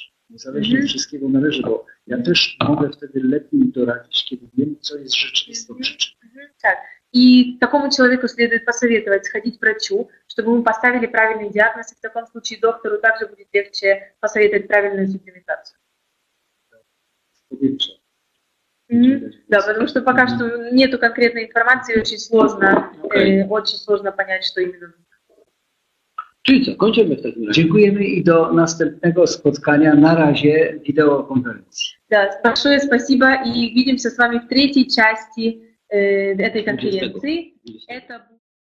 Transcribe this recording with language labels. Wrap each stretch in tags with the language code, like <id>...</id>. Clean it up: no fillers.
<pl>Niezależnie od wszystkiego należy, bo ja też mogę wtedy lepiej doradzić, kiedy wiem, co jest rzeczywistą przyczyną. Tak. I takiemu człowiekowi</pl> <ru>следует посоветовать сходить к врачу, чтобы мы поставили правильный диагноз, и в таком случае доктору также будет легче посоветовать правильную суплементацию. Спасибо. Да, потому что пока что нету конкретной информации, очень сложно, очень сложно понять, что именно.</ru> <pl>Czyli co, kończymy w takim razie. Dziękujemy i do następnego spotkania. Na razie wideokonferencji. Tak, bardzo dziękuję i widzimy się z Wami w trzeciej części tej konferencji. 20.</pl>